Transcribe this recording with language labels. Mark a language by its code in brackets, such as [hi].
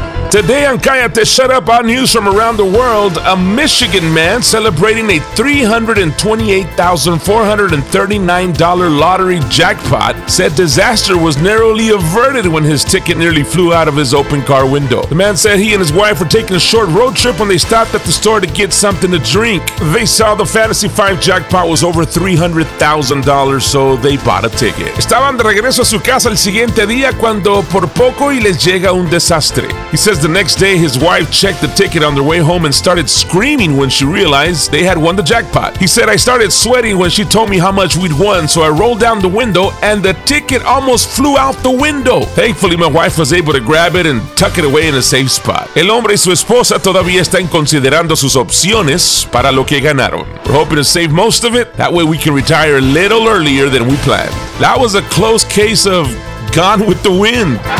[en] Today on Cállate, Shut Up on news from around the world, a Michigan man celebrating a $328,439 lottery jackpot said disaster was narrowly averted when his ticket nearly flew out of his open car window. The man said he and his wife were taking a short road trip when they stopped at the store to get something to drink. They saw the Fantasy 5 jackpot was over $300,000, so they bought a ticket. [es] Estaban de regreso a su casa el siguiente día cuando por poco y les llega un desastre. [en] He says the next day, his wife checked the ticket on their way home and started screaming when she realized they had won the jackpot. He said, I started sweating when she told me how much we'd won, so I rolled down the window and the ticket almost flew out the window. Thankfully, my wife was able to grab it and tuck it away in a safe spot. [es] El hombre y su esposa todavía están considerando sus opciones para lo que ganaron. [en] We're hoping to save most of it. That way we can retire a little earlier than we planned. That was a close case of Gone with the Wind.